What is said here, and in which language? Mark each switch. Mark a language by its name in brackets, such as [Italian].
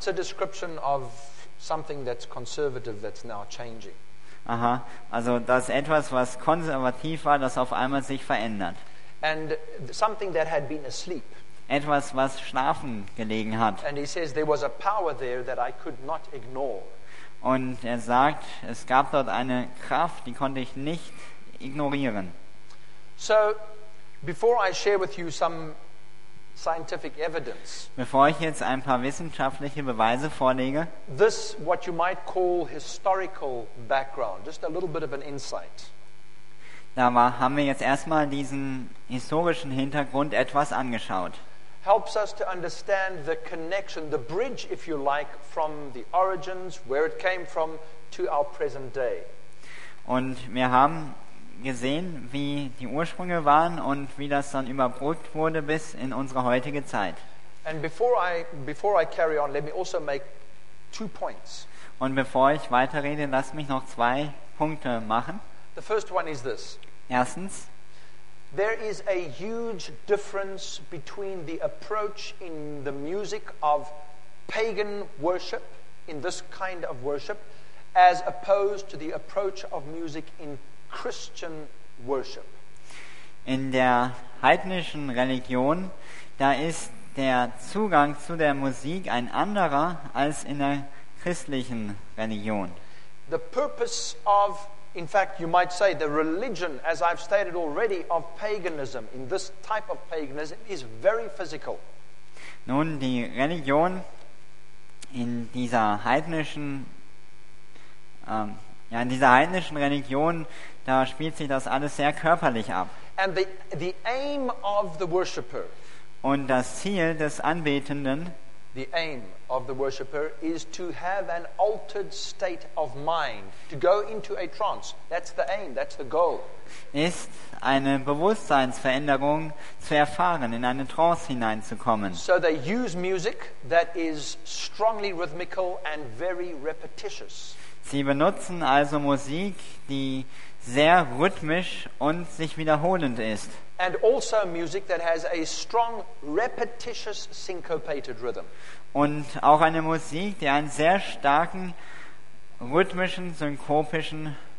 [English] It's a description of something that's conservative that's now changing. [German] Aha, also das etwas, was konservativ war, das auf einmal sich verändert. [English] And something that had been asleep. [German] Etwas, was schlafen gelegen hat. [English] And he says there was a power there that I could not ignore. [German] Und sagt, es gab dort eine Kraft, die konnte ich nicht ignorieren. [English] So, before I share with you some scientific evidence. [German] Bevor ich jetzt ein paar wissenschaftliche Beweise vorlege. [English] This what you might call historical background, just a little bit of an insight. [German] Da haben wir jetzt erstmal diesen historischen Hintergrund etwas angeschaut. [English] Helps us to understand the connection, the bridge if you like, from the origins, where it came from, to our present day. [German] Und wir haben gesehen, wie die Ursprünge waren und wie das dann überbrückt wurde bis in unsere heutige Zeit. [English] And before I carry on, let me also make two points. [German] Und bevor ich weiterrede, lass mich noch zwei Punkte machen. [English] The first one is this. [German] Erstens, [English] there is a huge difference between the approach in the music of pagan worship, in this kind of worship, as opposed to the approach of music in Christian worship. [German] In der heidnischen Religion, da ist der Zugang zu der Musik ein anderer als in der christlichen Religion. [English] The purpose of, in fact, you might say the religion, as I've stated already, of paganism, in this type of paganism, is very physical. [German] Nun, die Religion in dieser heidnischen in dieser heidnischen Religion, da spielt sich das alles sehr körperlich ab. [English] And the aim of the worshipper, [German] und das Ziel des Anbetenden, [English] the aim of the worshipper is to have an altered state of mind, to go into a trance. That's the aim, that's the goal. [German] Ist eine Bewusstseinsveränderung zu erfahren, in eine Trance hineinzukommen. [English] So they use music that is strongly rhythmical and very repetitious. [German] Sie benutzen also Musik, die sehr rhythmisch und sich wiederholend ist. [English] And also music that has a strong repetitious syncopated rhythm. [German] Und auch eine Musik, die einen sehr starken rhythmischen synkopischen